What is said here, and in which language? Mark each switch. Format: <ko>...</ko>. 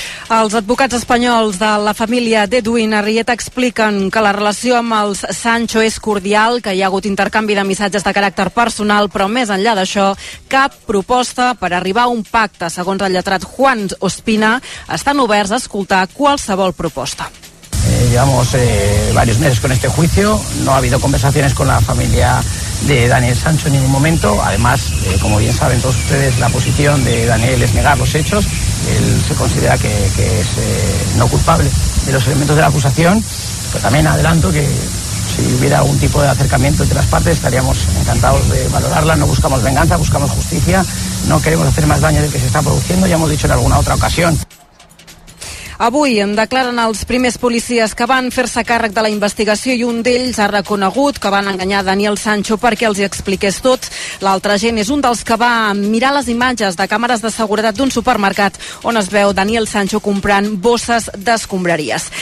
<ca>Els advocats espanyols de la família d'Edwin Arrieta expliquen que la relació amb els Sancho és cordial, que hi ha hagut intercanvi de missatges de caràcter personal, però més enllà d'això, cap proposta per arribar a un pacte, segons el lletrat Juan Ospina, estan oberts a escoltar qualsevol proposta.</ca> <es>Llevamos varios meses con este juicio, no ha habido conversaciones con la familia de Daniel Sancho en ningún momento, además, como bien saben todos ustedes, la posición de Daniel es negar los hechos, él se considera que es no culpable de los elementos de la acusación, pero también adelanto que si hubiera algún tipo de acercamiento entre las partes estaríamos encantados de valorarla, no buscamos venganza, buscamos justicia, no queremos hacer más daño del que se está produciendo, ya hemos dicho en alguna otra ocasión.</es> <ca>Avui en declaren els primers policies que van fer-se càrrec de la investigació i un d'ells ha reconegut que van enganyar Daniel Sancho perquè els hi expliqués tot. L'altra gent és un dels que va mirar les imatges de càmeres de seguretat d'un supermercat on es veu Daniel Sancho comprant bosses d'escombraries.</ca>